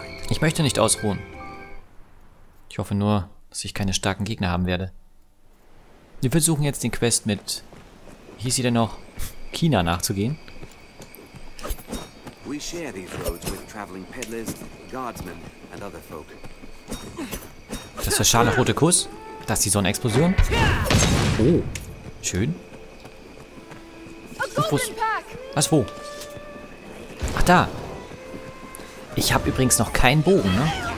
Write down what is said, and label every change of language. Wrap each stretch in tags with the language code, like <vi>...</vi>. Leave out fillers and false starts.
<de>Ich möchte nicht ausruhen. Ich hoffe nur, dass ich keine starken Gegner haben werde. Wir versuchen jetzt den Quest mit... Wie hieß sie denn noch? China nachzugehen.</de> <en>We share these roads with traveling peddlers, guardsmen and other folk.</en> <de>Das ist der Schaden nach Rote Kuss. Das ist die Sonnenexplosion. Oh, schön. Was, wo? Ach, da. Ich habe übrigens noch keinen Bogen, ne?</de>